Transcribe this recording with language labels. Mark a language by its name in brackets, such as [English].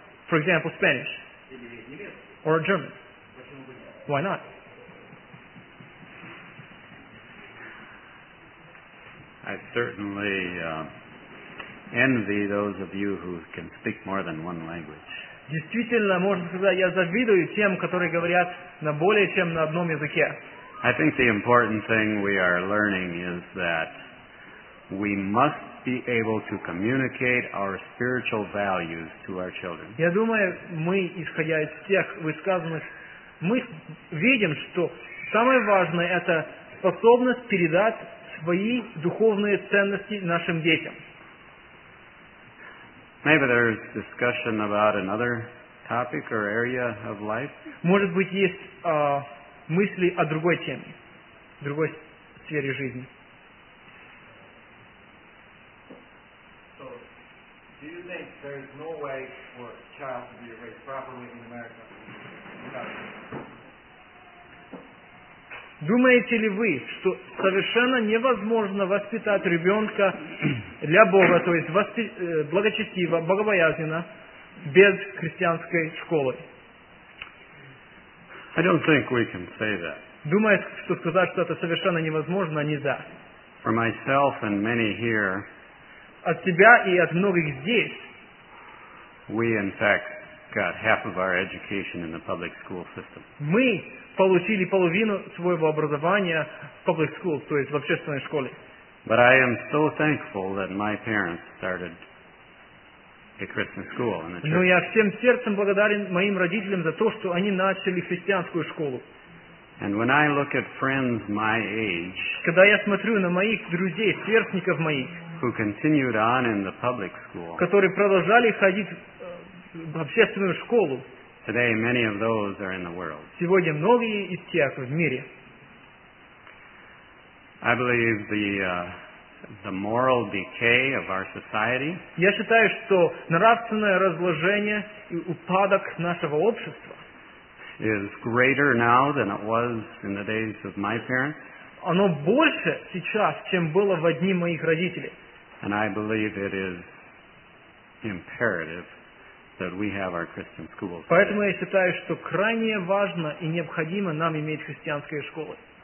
[English] For example, Spanish. Or German. Why not? I certainly envy those of you who can speak more than one language. [Russian] Действительно, можно сказать, я завидую тем, которые говорят на более чем на одном языке. [English] I think the important thing we are learning is that we must be able to communicate our spiritual values to our children. [Russian] Я думаю, мы, исходя из тех высказанных, мы видим, что самое важное – это способность передать свои духовные ценности нашим детям. [English] Maybe there's discussion about another topic or area of life. [Russian] Может быть, есть мысли о другой теме, другой сфере жизни. [English] So, do you think there is no way for a child to be raised properly in America? [Russian] Думаете ли вы, что совершенно невозможно воспитать ребенка для Бога, то есть благочестиво, богобоязненно, без христианской школы? [English] I don't think we can say that. [Russian] Думаю, что сказать, что это совершенно невозможно, нельзя. [English] For myself and many here, [Russian] от себя и от многих здесь, [English] we in fact got half of our education in the public school system. [Russian] Мы получили половину своего образования в [English] public school, [Russian] то есть в общественной школе. [English] But I am so thankful that my parents started a Christian school in the church. [Russian] Но я всем сердцем благодарен моим родителям за то, что они начали христианскую школу. [English] And when I look at friends my age, [Russian] когда я смотрю на моих друзей, сверстников моих, [English] who continued on in the public school, [Russian] которые продолжали ходить в общественную школу. [English] Today, many of those are in the world. [Russian] Сегодня многие из тех в мире. [English] I believe the moral decay of our society. [Russian] Я считаю, что нравственное разложение и упадок нашего общества [English] is greater now than it was in the days of my parents. [Russian] оно больше сейчас, чем было в дни моих родителей. [English] And I believe it is imperative that we have our Christian schools. [Russian] Поэтому я считаю, что крайне важно и необходимо нам иметь христианские школы.